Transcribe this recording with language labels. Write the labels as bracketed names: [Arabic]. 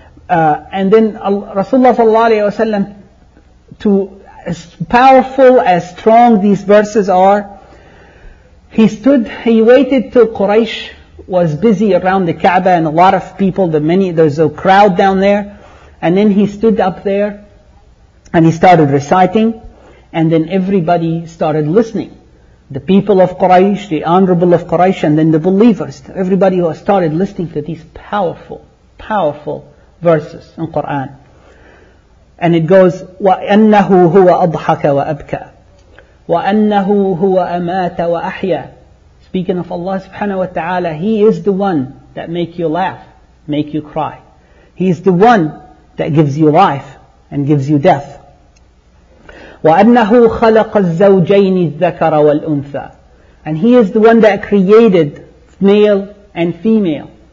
[English] And then Rasulullah sallallahu alayhi wa sallam, to as powerful, as strong these verses are, he waited till Quraysh was busy around the Kaaba and a lot of people, there's a crowd down there, and then he stood up there and he started reciting, and then everybody started listening. The people of Quraysh, the honorable of Quraysh, and then the believers, everybody who started listening to these powerful, powerful verses in Quran. And it goes, [Arabic] وَأَنَّهُ هُوَ أَضْحَكَ وَأَبْكَى وَأَنَّهُ هُوَ أَمَاتَ وَأَحْيَى. [English] Speaking of Allah subhanahu wa ta'ala, He is the one that make you laugh, make you cry. He is the one that gives you life and gives you death. [Arabic] وَأَنَّهُ خَلَقَ الزَّوْجَيْنِ الذَّكَرَ وَالْأُنْثَى. [English] And He is the one that created male and female.